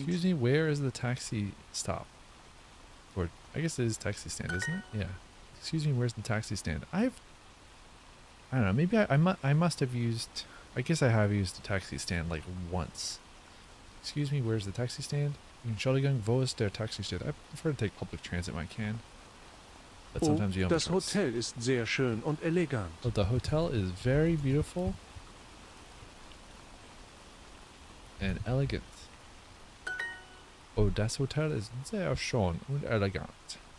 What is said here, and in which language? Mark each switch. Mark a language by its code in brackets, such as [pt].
[en] Excuse me, where is the taxi stop? Or, I guess it is taxi stand, isn't it? Yeah. Excuse me, where's the taxi stand? I don't know, maybe I must have used... I guess I have used the taxi stand, like, once. Excuse me, where's the taxi stand? [de] Entschuldigung, wo ist der Taxi stand? [en] I prefer to take public transit when I can. But sometimes you [de] oh, das Hotel ist sehr schön und elegant. [en] Oh, the hotel is very beautiful and elegant. [de] Oh, das Hotel ist sehr schön und elegant.